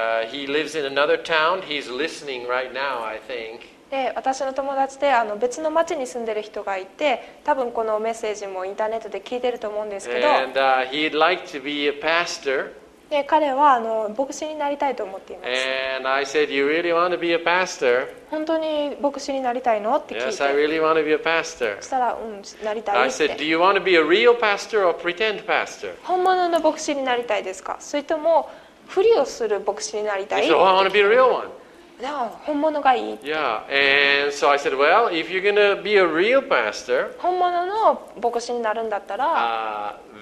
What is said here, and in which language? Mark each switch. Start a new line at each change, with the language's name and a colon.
English: He lives in another town. He's listening right now, I think.
Japanese: で、私の友達で別の町に住んでる人がいて、多分このメッセージもインターネットで聞いてると思うんですけど。
English: And he'd like to be a pastor.
Japanese: で彼は牧師になりたいと思っています。
English: And I said, you really want to be a pastor?
Japanese: 本当に牧師になりたいのって聞いて。
English: Yes, I really want to be a pastor.
Japanese: そしたら、なりたいって。
English: I said, do you want to be a real pastor or pretend pastor?
Japanese: 本物の牧師になりたいですか？それとも、ふりをする牧師になりたい？
English: He said, I want to be a real one.
Japanese: でも、本物がいいって。
English: Yeah, and so I said, well, if you're going to be a real pastor,
Japanese: 本物の牧師になるんだったら、